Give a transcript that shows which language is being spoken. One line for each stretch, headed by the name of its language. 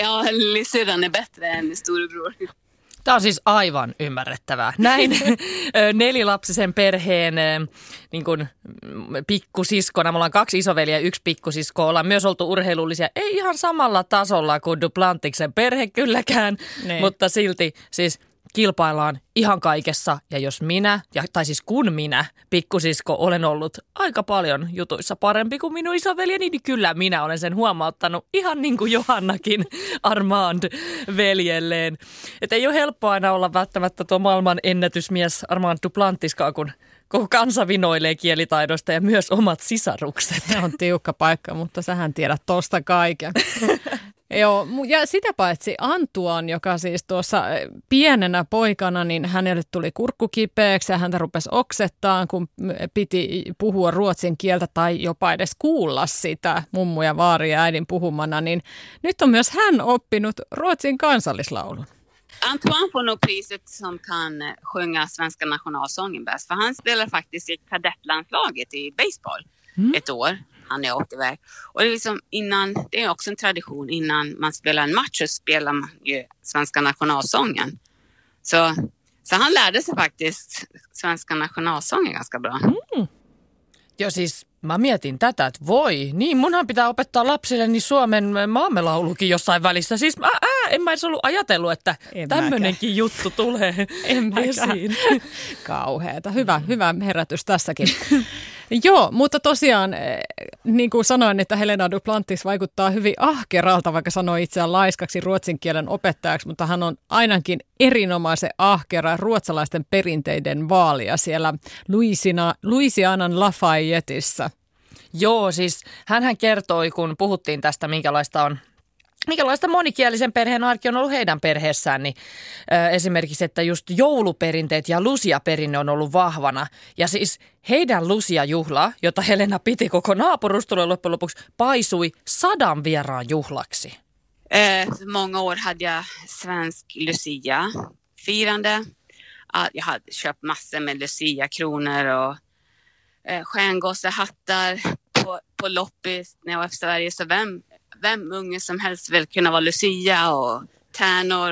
Swedish: Lillisyrran är bättre än storebror.
Finnish: Tämä on siis aivan ymmärrettävää. Näin 4-lapsisen perheen niin kuin pikkusiskona, me ollaan 2 isoveliä ja 1 pikkusisko, ollaan myös oltu urheilullisia, ei ihan samalla tasolla kuin Duplantiksen perhe kylläkään, niin, mutta silti siis kilpaillaan ihan kaikessa, ja jos minä, tai siis kun minä, pikkusisko, olen ollut aika paljon jutuissa parempi kuin minun isoveljeni, niin kyllä minä olen sen huomauttanut ihan niin kuin Johannakin Armand veljelleen. Että ei ole helppoa aina olla välttämättä tuo maailman ennätysmies Armand Duplantiskaan, kun koko kansa vinoilee kielitaidosta ja myös omat sisarukset. Se on tiukka paikka, mutta sähän tiedät tosta kaiken. Joo, ja sitä paitsi Antoine, joka siis tuossa pienenä poikana, niin hänelle tuli kurkku kipeäksi ja häntä rupesi oksettaan, kun piti puhua ruotsin kieltä tai jopa edes kuulla sitä mummu ja vaari ja äidin puhumana, niin nyt on myös hän oppinut ruotsin kansallislaulun.
Swedish: Antoine får nog priset som kan sjunga svenska nationalsången bäst, för han spelar faktiskt i kadettlandslaget i baseball ett år. Han är åkt iväg. Och det är, liksom innan, det är också en tradition. Innan man spelar en match så spelar man ju svenska nationalsången. Så han lärde sig faktiskt svenska nationalsången ganska bra. Mm.
Finnish: Ja siis mä mietin tätä, että voi, niin munhan pitää opettaa lapsilleni Suomen maamelaulukin jossain välissä. Siis en mä edes ollut ajatellut, että tämmöinenkin juttu tulee esiin. Kauheeta. Hyvä herätys tässäkin. Joo, mutta tosiaan, niin kuin sanoin, että Helena Duplantis vaikuttaa hyvin ahkeralta, vaikka sanoi itseään laiskaksi ruotsin kielen opettajaksi, mutta hän on ainakin erinomaisen ahkera ruotsalaisten perinteiden vaalija siellä Louisianan Lafayetteissa. Joo, siis hänhän kertoi, kun puhuttiin tästä, minkälaista monikielisen perheen arki on ollut heidän perheessään, niin esimerkiksi, että just jouluperinteet ja lusiaperinne on ollut vahvana. Ja siis heidän lusiajuhla, jota Helena piti koko naapurustolle loppujen lopuksi, paisui 100 vieraan juhlaksi.
Swedish: Många år hade jag svensk lucia firande. Jag hade köpt massor med lucia-kronor och stjärngossehattar på loppis när jag var i Sverige. Så vem unge som helst vill kunna vara lucia och tärnor.